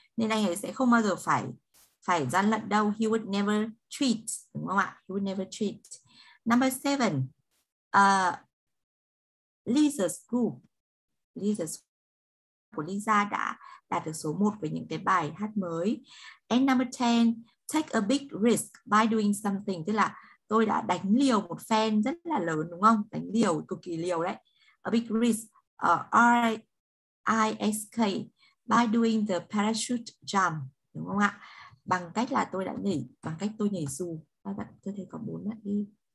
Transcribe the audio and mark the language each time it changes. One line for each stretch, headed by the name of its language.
Vietnamese: Nên anh ấy sẽ không bao giờ phải gian lận đâu.
English: He would never cheat,
Vietnamese: đúng không ạ?
English: He would never cheat. Number 7, Lisa's group.
Vietnamese: Lisa's group của Lisa đã đạt được số 1 với những cái bài hát mới.
English: And number 10, take a big risk by doing something.
Vietnamese: Tức là tôi đã đánh liều một phen rất là lớn đúng không? Đánh liều, cực kỳ liều đấy.
English: A big risk, R-I-S-K, by doing the parachute jump.
Vietnamese: Đúng không ạ? Bằng cách là tôi đã nhảy, bằng cách tôi nhảy dù. Các bạn, tôi thấy có 4 bạn đi.